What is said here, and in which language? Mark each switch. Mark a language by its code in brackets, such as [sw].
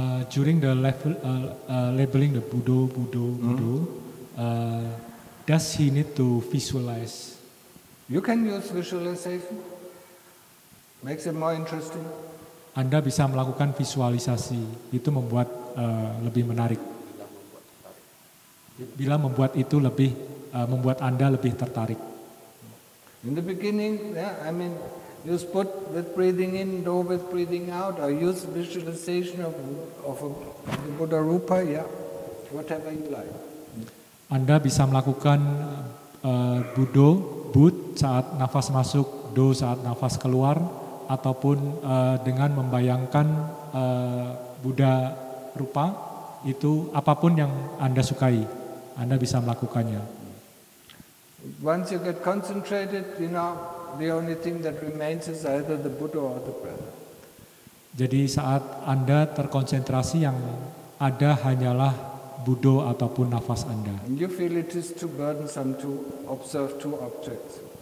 [en] During the level labeling the Budo, Budo, does he need to visualize? You can use visualization. Makes it more interesting. [id] Anda bisa melakukan visualisasi, itu membuat lebih menarik. Bila membuat itu lebih membuat Anda lebih tertarik. [en] In the beginning, yeah, I mean, use put with breathing in, do with breathing out, or use visualization of a Buddha Rupa, yeah, whatever you like. [id] Anda bisa melakukan Budo, Bud saat nafas masuk, Do saat nafas keluar, ataupun dengan membayangkan Buddha Rupa, itu apapun yang Anda sukai, Anda bisa melakukannya. [en] Once you get concentrated, you know, the only thing that remains is either the Buddha or the breath. [id] Jadi saat Anda terkonsentrasi, yang ada hanyalah Buddha ataupun nafas Anda. [en] And you feel it is too burdensome to observe two objects.